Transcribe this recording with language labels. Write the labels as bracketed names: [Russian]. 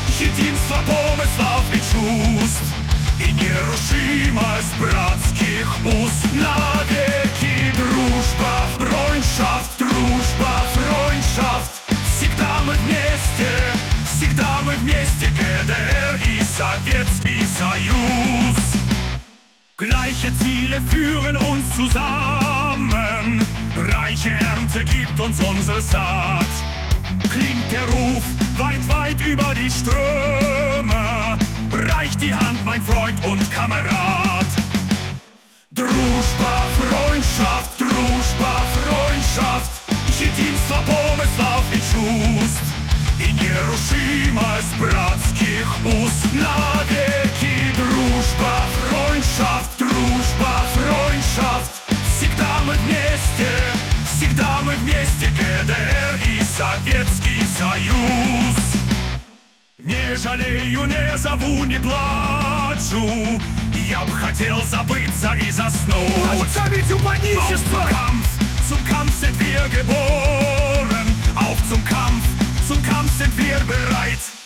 [Russian] Единство помыслов и чувств и нерушимость братских уз навеки. Дружба, фройншафт, дружба, фройншафт. Всегда мы вместе, всегда мы вместе. ГДР и Советский Союз. [German] Gleiche Ziele führen uns zusammen. Reiche Ernte gibt uns unsere Saat. Klingt der Ruf weit, weit über die Ströme. Reich die Hand, mein Freund und Kamerad. [Russian] Дружба, Freundschaft, дружба, Freundschaft. Единство помыслов и чувств и нерушимость братских уз навеки. Дружба, Freundschaft, дружба, Freundschaft. Всегда мы вместе, всегда мы вместе. ГДР и Советский Союз. Не жалею, не зову, не плачу. Я б хотел забыться и заснуть. Хочется ведь упадничество. [German] Auf zum Kampf, zum Kampf sind wir geboren. Auf zum Kampf sind wir bereit.